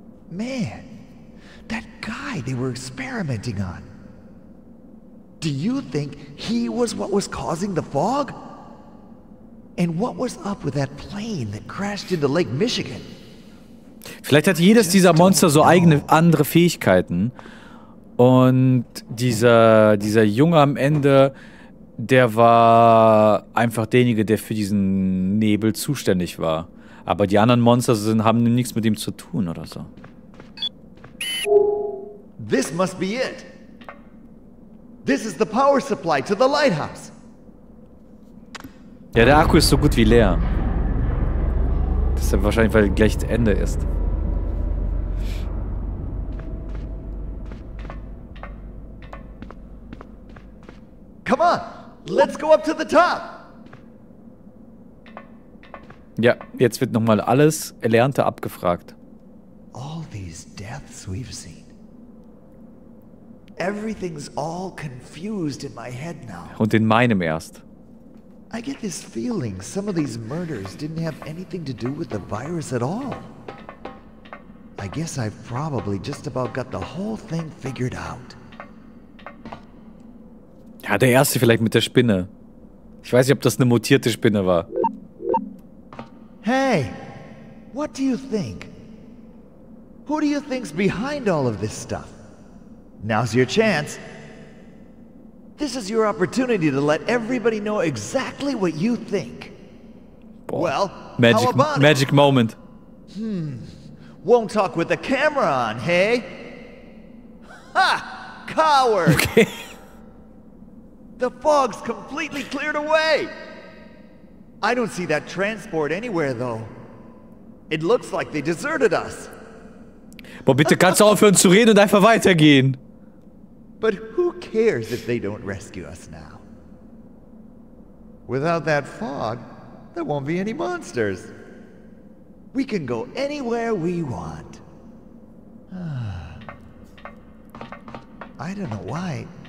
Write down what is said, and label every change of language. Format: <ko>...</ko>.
<en>Man, that guy they were experimenting on. Do you think he was what was causing the fog? And what was up with that plane that crashed into Lake Michigan?</en> <de>Vielleicht hat jedes dieser Monster so eigene, andere Fähigkeiten. Und dieser Junge am Ende, der war einfach derjenige, der für diesen Nebel zuständig war. Aber die anderen Monster haben nichts mit ihm zu tun oder so.</de> <en>This must be it. This is the power supply to the lighthouse.</en> <de>Ja, der Akku ist so gut wie leer. Das ist wahrscheinlich, weil gleich das Ende ist.</de> <en>Come on, let's go up to the top.</en> <de>Ja, jetzt wird nochmal alles Erlernte abgefragt.</de> <en>All these deaths we've seen. Everything's all confused in my head now.</en> <de>Und in meinem erst.</de> <en>I get this feeling some of these murders didn't have anything to do with the virus at all. I guess I've probably just about got the whole thing figured out.</en> <de>Ja, der erste vielleicht mit der Spinne. Ich weiß nicht, ob das eine mutierte Spinne war.</de> <en>Hey, what do you think? Who do you think's behind all of this stuff? Now's your chance. This is your opportunity to let everybody know exactly what you think. Boah. Well, magic, how about magic moment. Hmm. Won't talk with the camera on, hey? Ha! Coward! Okay. The fog's completely cleared away. I don't see that transport anywhere, though. It looks like they deserted us.</en> <de>Boah, bitte kannst du aufhören zu reden und einfach weitergehen.</de> <en>But who cares if they don't rescue us now? Without that fog, there won't be any monsters. We can go anywhere we want. I don't know why.</en>